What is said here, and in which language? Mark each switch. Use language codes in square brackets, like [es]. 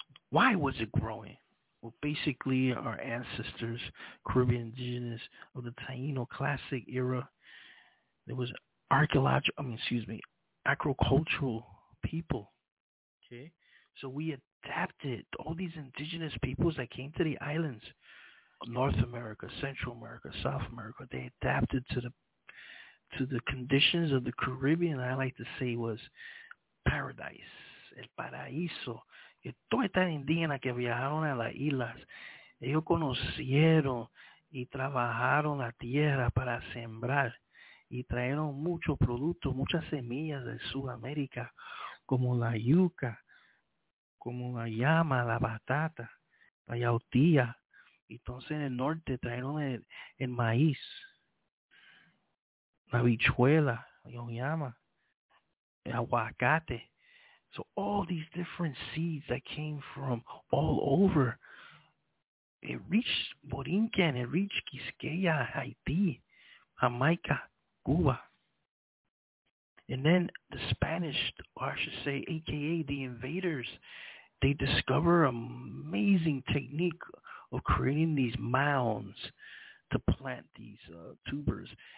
[en] Why was it growing? Well, basically, our ancestors, Caribbean indigenous of the Taino classic era, there was agricultural people. Okay, so we adapted all these indigenous peoples that came to the islands, North America, Central America, South America. They adapted to the conditions of the Caribbean. I like to say was paradise, [es] el paraíso. Que todos estos indígenas que viajaron a las islas, ellos conocieron y trabajaron la tierra para sembrar y trajeron muchos productos, muchas semillas de Sudamérica, como la yuca, como la llama, la batata, la yautía. Entonces en el norte trajeron el maíz, la bichuela, la llama, el aguacate. [en] So all these different seeds that came from all over, it reached Borinquen, it reached Quisqueya, Haiti, Jamaica, Cuba. And then the Spanish, or I should say, AKA the invaders, they discover an amazing technique of creating these mounds to plant these tubers.